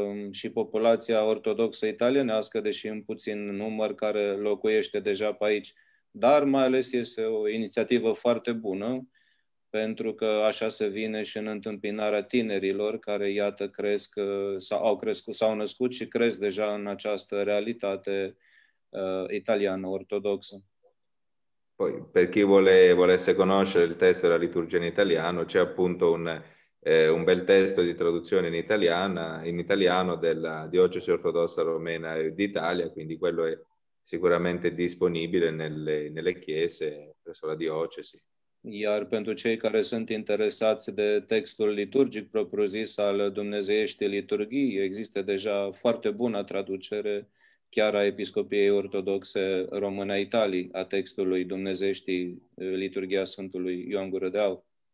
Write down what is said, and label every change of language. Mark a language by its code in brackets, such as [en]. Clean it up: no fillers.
[ro] și populația ortodoxă italienească, deși în puțin număr, care locuiește deja pe aici, dar mai ales este o inițiativă foarte bună, pentru că așa se vine și în întâmpinarea tinerilor care, iată, cresc sau au crescut, s-au născut și cresc deja în această realitate italiană ortodoxă. [it] Poi, per chi volesse conoscere il testo della liturgia in italiano, c'è appunto un bel testo di traduzione in italiano della Diocesi Ortodossa Romena d'Italia, quindi quello è sicuramente disponibile nelle chiese presso la diocesi. [ro] Iar pentru cei care sunt interesați de textul liturgic propriu-zis al Dumnezeieștii Liturghii, există deja foarte bună traducere chiar a Episcopiei Ortodoxe Române Italiei a textului Dumnezeieștii Liturghia Sfântului Ioan Gură de Aur.